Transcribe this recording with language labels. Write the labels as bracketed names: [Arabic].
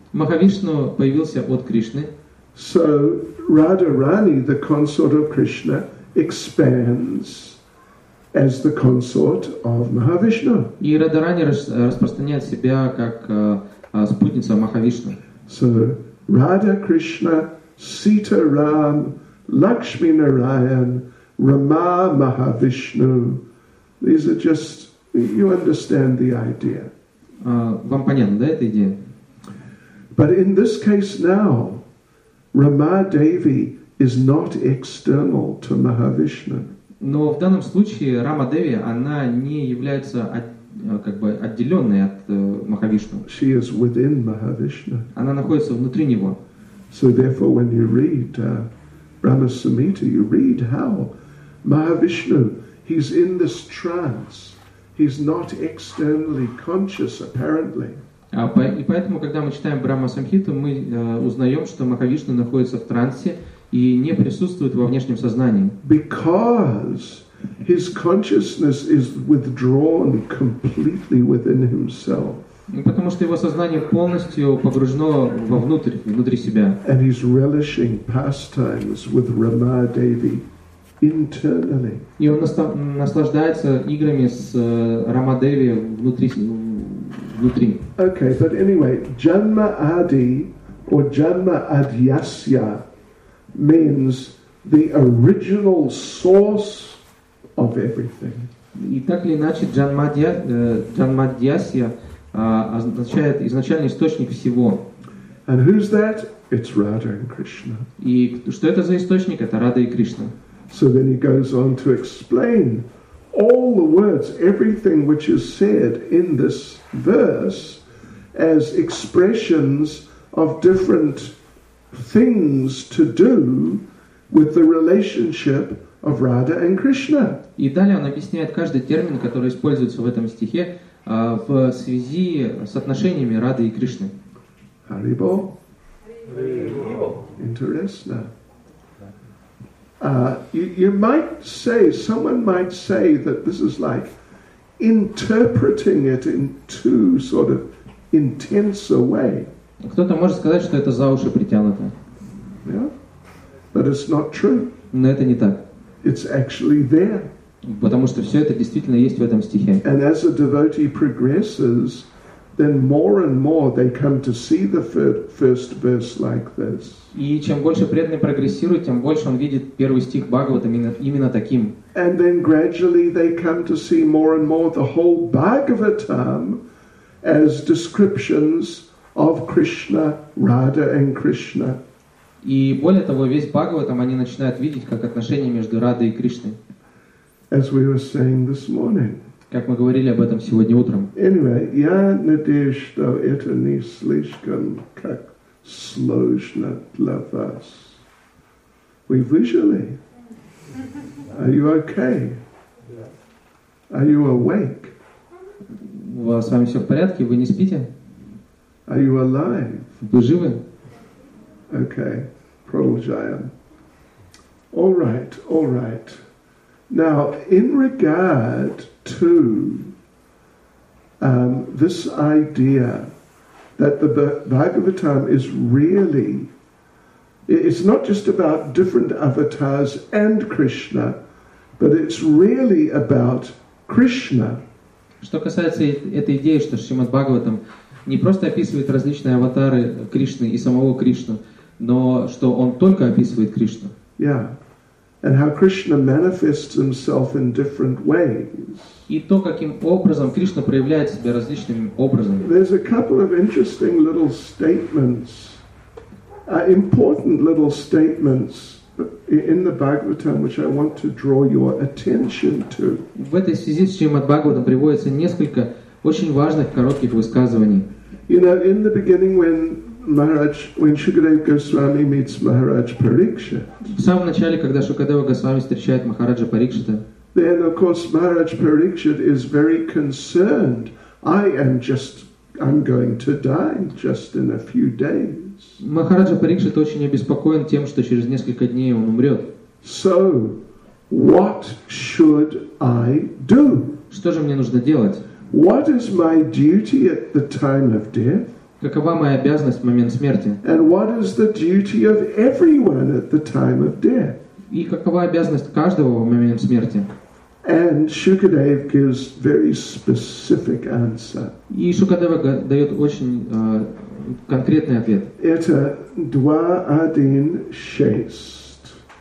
[Russian] Махавишну появился от Кришны. [English] So Radharani, the consort of Krishna, expands as the consort of Mahavishnu. [Russian] И Радарани распространяет себя как спутница Махавишну. [English] So Radha Krishna, Sita Ram, Lakshmi Narayan, Rama Mahavishnu. These are just. You understand the idea. [Russian] Вам понятно, да, эта идея? [English] But in this case now, Rama Devi is not external to Mahavishnu. [Russian] Но в данном случае Рама Деви она не является отделенной от Махавишну. [English] She is within Mahavishnu. [Russian] Она находится внутри него. [English] So therefore, when you read Brahma Samhita, you read how Mahavishnu he's in this trance. He's not externally conscious, apparently. [Russian] И поэтому, когда мы читаем Брахма Самхиту, мы узнаем, что Махавишна находится в трансе и не присутствует во внешнем сознании. [English] Because his consciousness is withdrawn completely within himself. [Russian] Потому что его сознание полностью погружено вовнутрь, внутри себя. [English] And he's relishing pastimes with Ramadevi internally. [Russian] И он наслаждается играми с Рамадеви внутри. [English] Okay, but anyway, Janma Adi or Janma Adyasya means the original source of everything. [Russian] И так или иначе, Джанмадьясья означает изначальный источник всего. [English] And who's that? It's Radha and Krishna. [Russian] И что это за источник? Это Рада и Кришна. [English] So then he goes on to explain all the words, everything which is said in this verse as expressions of different things to do with the relationship of Radha and Krishna. [Russian] И далее он объясняет каждый термин, который используется в этом стихе, в связи с отношениями Рады и Кришны. [English] Haribo. Haribo. Interesting. You might say, someone might say that this is like interpreting it in too sort of intense a way. [Russian] Кто-то может сказать, что это за уши притянуто. [English] Yeah? But it's not true. [Russian] Но это не так. [English] It's actually there. [Russian] Потому что все это действительно есть в этом стихе. [English] And as a devotee progresses, then more and more they come to see the first verse like this. [Russian] И чем больше преданный прогрессирует, тем больше он видит первый стих Бхагаватам именно таким. [English] And then gradually they come to see more and more the whole Bhagavatam as descriptions of Krishna, Radha and Krishna. [Russian] И более того, весь Бхагаватам они начинают видеть как отношения между Радой и Кришной. [English] As we were saying this morning. [Russian] Как мы говорили об этом сегодня утром. Anyway, я надеюсь, что это не слишком как сложно для вас. [English] We visually. Are you okay? Are you awake? [Russian] У вас с вами все в порядке? Вы не спите? [English] Are you alive? [Russian] Вы живы? [English] Okay. [Russian] Продолжаем. [English] All right, all right. Now, in regard to this idea that the Bhagavatam is really, it's not just about different avatars and Krishna, but it's really about Krishna. [Russian] Что касается этой идеи, что Шримад Бхагаватам не просто описывает различные аватары Кришны и самого Кришну, но что он только описывает Кришну. [English] Yeah. And how Krishna manifests himself in different ways. [Russian] И то, каким образом Кришна проявляет себя различными образами. [English] There's a couple of interesting little statements, important little statements in the Bhagavatam, which I want to draw your attention to. [Russian] В этой связи с Шримад Бхагаватам приводится несколько очень важных коротких высказываний. [English] You know, in the beginning when Shukadeva Goswami meets Maharaj Parikshit. [Russian] В самом начале, когда Шукадева Госвами встречает Махараджа Парикшита. [English] Then of course Maharaj Parikshit is very concerned. I'm going to die just in a few days. [Russian] Махараджа Парикшит очень обеспокоен тем, что через несколько дней он умрет. [English] So, what should I do? [Russian] Что же мне нужно делать? [English] What is my duty at the time of death? [Russian] Какова моя обязанность в момент смерти? [English] And what is the duty of everyone at the time of death? [Russian] И какова обязанность каждого в момент смерти? [English] And Shukadev gives very specific answer. [Russian] И Шукадева дает очень конкретный ответ. Это два один шесть.